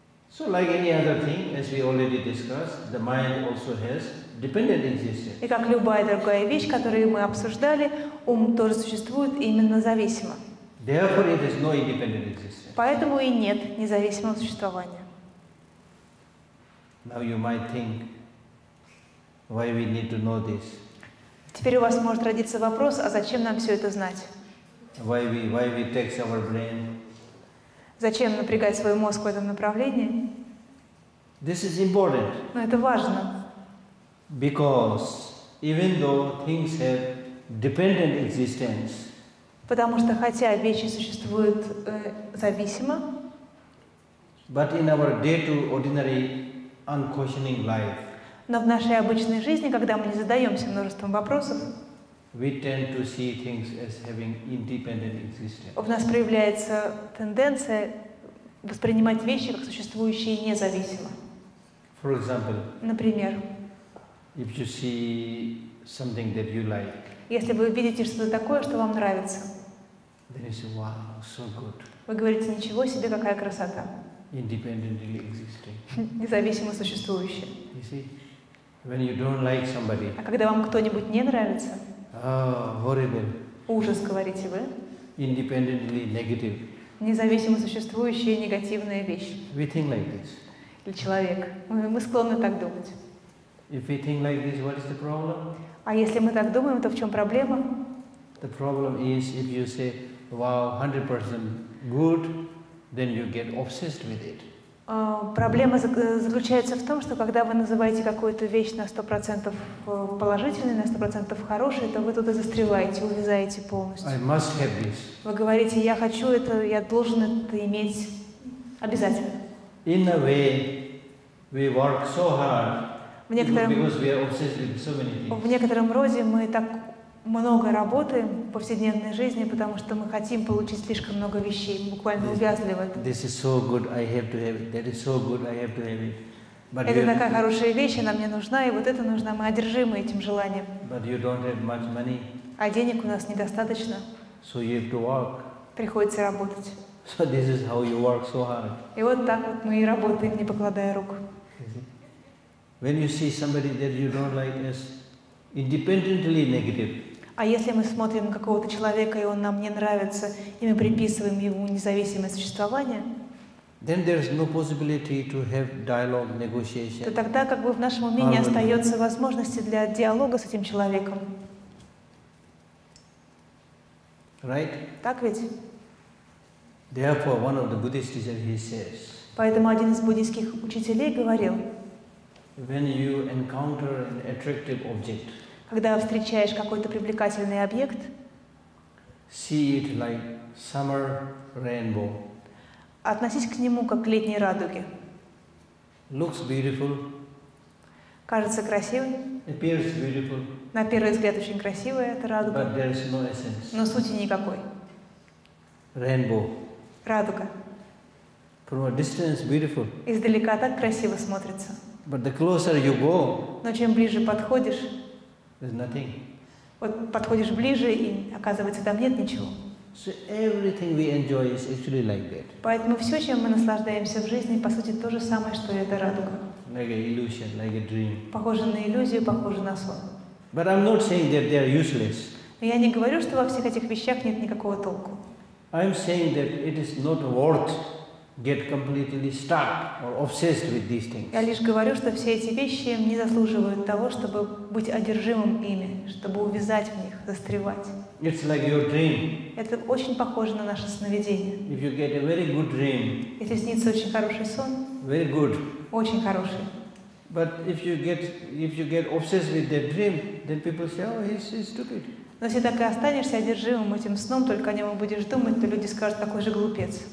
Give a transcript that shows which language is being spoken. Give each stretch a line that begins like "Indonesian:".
English: So like any other thing, as we already discussed, the mind also has dependent existence.
Russian: И как любая другая вещь, которую мы обсуждали, ум тоже существует именно зависимо.
English: Therefore, it has no independent existence.
Russian: Поэтому и нет независимого существования.
English: Now you might think, why we need to know this?
Russian: Теперь у вас может родиться вопрос, а зачем нам все это знать?
English: Why we take our brain?
Russian: Зачем напрягать свой мозг в этом направлении?
English: This is important.
Russian: Но это важно.
English: Because even though things have dependent existence.
Russian: Потому что хотя вещи существуют зависимо,
English: But in our day-to-ordinary unquestioning life,
Russian: но в нашей обычной жизни, когда мы не задаемся множеством вопросов,
English: we tend to see things as having independent existence.
Russian: В нас проявляется тенденция воспринимать вещи как существующие независимо.
English: For example,
Russian: например,
English: if you see something that you like,
Russian: если вы видите что-то такое, что вам нравится,
English: then you say, wow, so good.
Russian: Вы говорите, ничего себе, какая красота.
English: Independently existing.
Russian: Независимо существующее.
English: You see? When you don't like somebody,
Russian: а когда вам кто-нибудь не нравится,
English: oh, horrible.
Russian: Ужас, говорите вы.
English: Independently negative.
Russian: Независимо существующие негативные вещи.
English: We think like this.
Russian: Или человек. Мы склонны так думать.
English: If we think like this, what is the problem?
Russian: А если мы так думаем, то в чем проблема?
English: The problem is if you say, wow, 100% good, then you get obsessed with it.
Russian: Проблема заключается в том, что когда вы называете какую-то вещь на 100% положительной, на 100% хорошей, то вы туда застреваете, увязаете полностью.
English: I must have this.
Russian: Вы говорите, я хочу это, я должен это иметь обязательно.
English: In a way, we work so hard, because we are obsessed with so many things.
Russian: В некотором роде мы так много работаем в повседневной жизни, потому что мы хотим получить слишком много вещей, буквально увязли в этом.
English: This is so good, I have to have it. That is so good, I have to have it.
Russian: But это такая хорошая вещь, она мне нужна, и вот это нужно. Мы одержимы этим желанием.
English: But you don't have much money.
Russian: А денег у нас недостаточно.
English: So you have to work.
Russian: Приходится работать.
English: So this is how you work so hard.
Russian: И вот так вот мы и работаем, не покладая рук.
English: When you see somebody that you don't like as independently negative.
Russian: А если мы смотрим на какого-то человека, и он нам не нравится, и мы приписываем ему независимое существование,
English: then there is no possibility to have dialogue, negotiation.
Russian: То тогда как бы в нашем уме не остается возможности для диалога с этим человеком.
English: Right?
Russian: Так ведь?
English: Therefore, one of the Buddhist teachers, he says.
Russian: Поэтому один из буддийских учителей говорил.
English: When you encounter an attractive object.
Russian: Когда встречаешь какой-то привлекательный объект.
English: See it like summer rainbow.
Russian: Относись к нему как к летней радуге.
English: Looks beautiful.
Russian: Кажется красивой.
English: Appears beautiful.
Russian: На первый взгляд очень красивая эта радуга.
English: But there is no essence.
Russian: Но сути никакой.
English: Rainbow.
Russian: Радуга.
English: From a distance, beautiful.
Russian: Издалека так красиво смотрится.
English: But the closer you go,
Russian: но чем ближе подходишь,
English: there's nothing.
Russian: Вот подходишь ближе, и оказывается, там нет ничего.
English: So everything we enjoy is actually like that.
Russian: Поэтому все, чем мы наслаждаемся в жизни, по сути, то же самое, что и эта радуга.
English: Like an illusion, like a dream.
Russian: Похоже на иллюзию, похоже на сон.
English: But I'm not saying that they are useless.
Russian: Но я не говорю, что во всех этих вещах нет никакого толку.
English: I'm saying that it is not worth get completely stuck or obsessed with these things.
Russian: Я лишь говорю, что все эти вещи не заслуживают того, чтобы быть одержимым ими, чтобы увязать в них, застревать.
English: It's like your dream.
Russian: Это очень похоже на наше сновидение.
English: If you get a very good dream.
Russian: Если снится очень хороший сон.
English: Very good.
Russian: Очень хороший.
English: But if you get obsessed with that dream, then people say, oh, he's stupid.
Russian: Но если так и останешься одержимым этим сном, только о нем будешь думать, то люди скажут, какой же глупец.